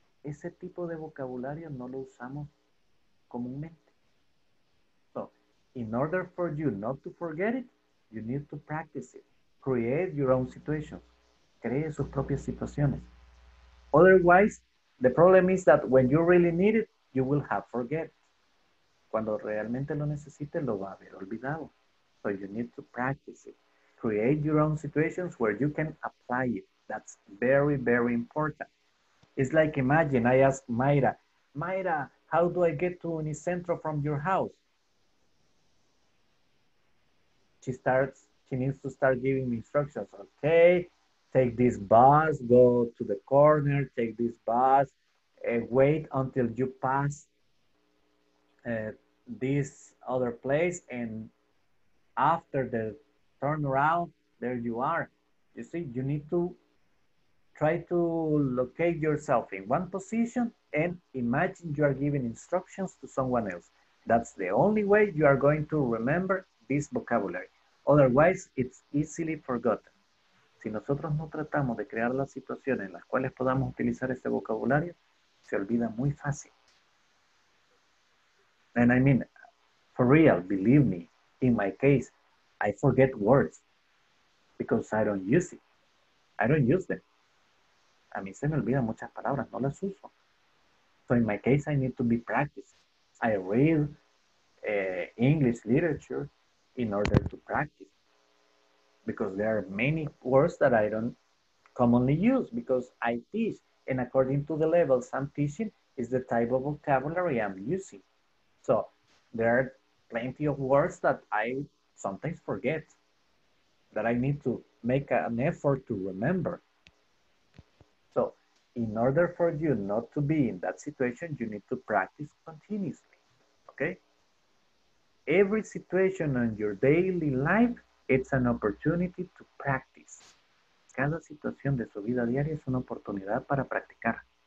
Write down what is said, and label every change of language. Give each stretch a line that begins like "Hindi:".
Spanish: ese tipo de vocabulario no lo usamos comúnmente.
English: So, in order for you not to forget it, you need to practice it. Create your own situations.
Spanish: Cree sus propias situaciones.
English: Otherwise, the problem is that when you really need it, you will have forget it.
Spanish: Cuando realmente lo necesite, lo va a haber olvidado.
English: So you need to practice it. Create your own situations where you can apply it. That's very, very important. It's like, imagine I ask Mayra, Mayra, how do I get to Unicentro from your house? She needs to start giving me instructions. Okay, take this bus, go to the corner, take this bus, and wait until you pass this other place, and after the turnaround, there you are. You see, you need to try to locate yourself in one position and imagine you are giving instructions to someone else. That's the only way you are going to remember this vocabulary. Otherwise, it's easily forgotten.
Spanish: Si nosotros no tratamos de crear las situaciones en las cuales podamos utilizar este vocabulario, se olvida muy fácil.
English: And I mean, for real, believe me, in my case, I forget words because I don't use it. I don't use them.
Spanish: A mí se me olvidan muchas palabras, no las uso.
English: So in my case, I need to be practicing. I read English literature in order to practice because there are many words that I don't commonly use because I teach. And according to the levels I'm teaching is the type of vocabulary I'm using. So there are plenty of words that I sometimes forget that I need to make an effort to remember. So in order for you not to be in that situation, you need to practice continuously, okay? Every situation in your daily life, it's an opportunity to practice.
Spanish: Cada situación de su vida diaria es una oportunidad para practicar.